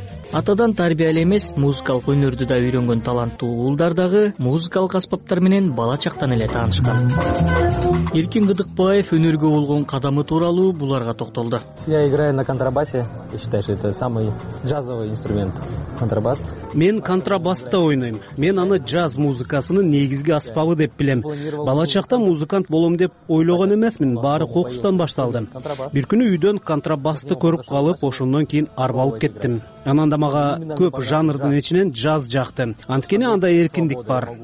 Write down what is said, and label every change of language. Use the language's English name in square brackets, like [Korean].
[Kyrgyz] Атадан тарбия эле эмес, музыкалык өнөрдү да үйрөнгөн таланттуу уулдар дагы музыкалык аспаптар менен бала чактан эле таанышкан. Эркин Кыдыкбаев өнөргө болгон кадамы тууралуу буларга токтолду. [Russian] Я играю на контрабасе. Считаю, что это самый джазовый инструмент. Контрабас. [Kyrgyz] Мен контрабаста ойнойм. Мен аны джаз музыкасынын негизги аспабы деп билем. Бала чакта музыкант болом деп ойлогон эмесмин, баары кокустан башталды. Бир күнү үйдөн контрабасты көрүп калып, ошондон кийин арбалып кеттим. Анан да мага көп жанрдын ичинен джаз жакты. Анткени анда эркиндик бар.